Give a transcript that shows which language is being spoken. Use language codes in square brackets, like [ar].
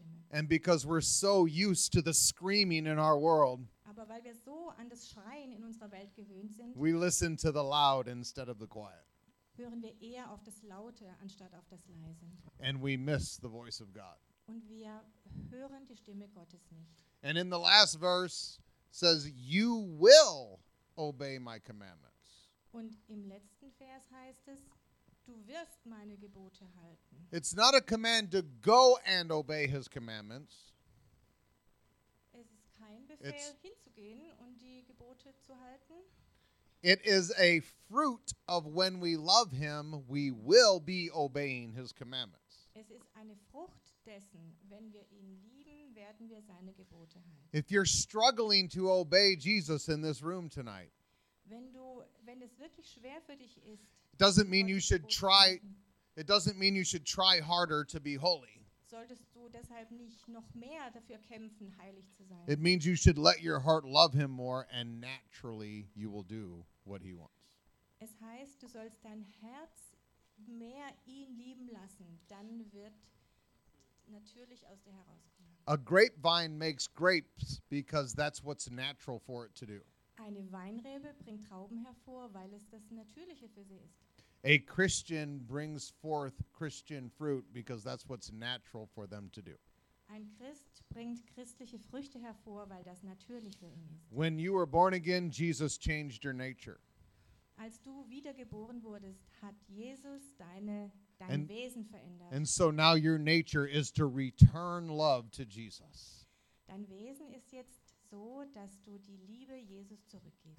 [en] And because we're so used to the screaming in our world, [de] aber weil wir so an das Schreien in unserer Welt gewöhnt sind, [en] we listen to the loud instead of the quiet. [de] Hören wir eher auf das Laute anstatt auf das Leise. [en] And we miss the voice of God. [de] Und wir hören die Stimme Gottes nicht. [en] And in the last verse says, you will obey my commandments. [de] Und im letzten Vers heißt es, du wirst meine Gebote halten. [en] It's not a command to go and obey his commandments. [de] Es ist kein Befehl, [en] it's [de] hinzugehen und die Gebote zu halten. [en] It is a fruit of when we love him, we will be obeying his commandments. [de] Es ist eine Frucht dessen, wenn wir ihn lieben, werden wir seine Gebote halten. [en] If you're struggling to obey Jesus in this room tonight, [de] wenn es wirklich schwer für dich ist, [en] it doesn't mean you should try harder to be holy. [de] Solltest du deshalb nicht noch mehr dafür kämpfen, heilig zu sein. [en] It means you should let your heart love him more and naturally you will do what he wants. [de] Es heißt, du sollst dein Herz mehr ihn lieben lassen, dann wird natürlich aus dir herauskommen. [en] A grapevine makes grapes because that's what's natural for it to do. [de] Eine Weinrebe bringt Trauben hervor, weil es das Natürliche für sie ist. [en] A Christian brings forth Christian fruit because that's what's natural for them to do. [de] Ein Christ bringt christliche Früchte hervor, weil das natürlich für ihn ist. [en] When you were born again, Jesus changed your nature. [de] Als du wiedergeboren wurdest, hat Jesus dein Wesen verändert. [en] And so now your nature is to return love to Jesus. [de] Dein Wesen ist jetzt so, dass du die Liebe Jesus zurückgibst.